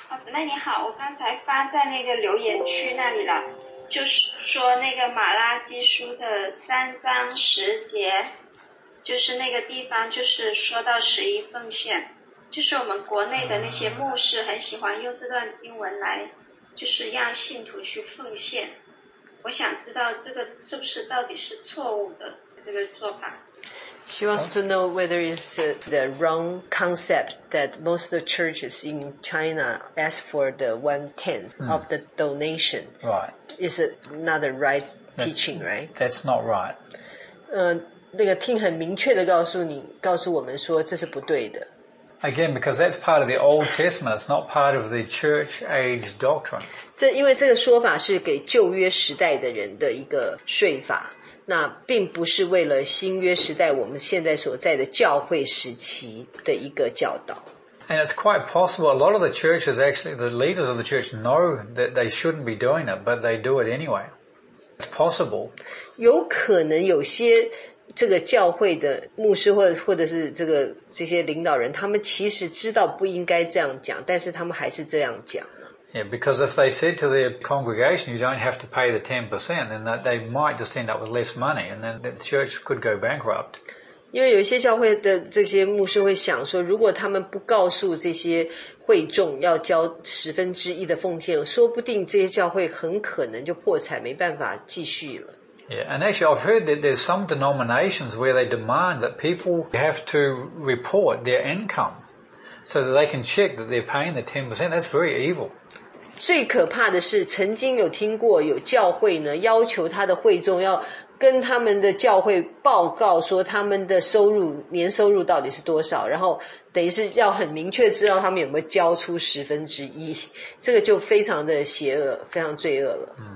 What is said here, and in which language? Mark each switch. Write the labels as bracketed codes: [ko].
[zh] 那你好，我刚才发在那个留言区那里了，就是说那个马拉基书的3:10，就是那个地方就是说到十一奉献，就是我们国内的那些牧师很喜欢用这段经文来就是让信徒去奉献，我想知道这个是不是到底是错误的这个做法。 [en] She wants to know whether it's the wrong concept that most of the churches in China ask for the 1/10 of the donation. Right. Is it not the right teaching, right? That's not right. [zh] 那个听很明确的告诉你，告诉我们说这是不对的。 [en] Again, because that's part of the Old Testament, it's not part of the church age doctrine. [zh] 这因为这个说法是给旧约时代的人的一个说法。那并不是为了新约时代我们现在所在的教会时期的一个教导。 [en] And it's quite possible a lot of the churches, actually the leaders of the church know that they shouldn't be doing it, but they do it anyway. It's possible. [zh] 有可能有些这个教会的牧师或者是这些领导人，他们其实知道不应该这样讲，但是他们还是这样讲。 [en] Yeah, because if they said to their congregation, you don't have to pay the 10%, then that they might just end up with less money, and then the church could go bankrupt. [zh] 因为有些教会的这些牧师会想说，如果他们不告诉这些会众要交十分之一的奉献，说不定这些教会很可能就破产，没办法继续了。 [en] Yeah, and actually I've heard that there's some denominations where they demand that people have to report their income so that they can check that they're paying the 10%. That's very evil. [zh] 最可怕的是曾经有听过有教会呢要求他的会众要跟他们的教会报告说他们的收入年收入到底是多少，然后等于是要很明确知道他们有没有交出十分之一，这个就非常的邪恶，非常罪恶了。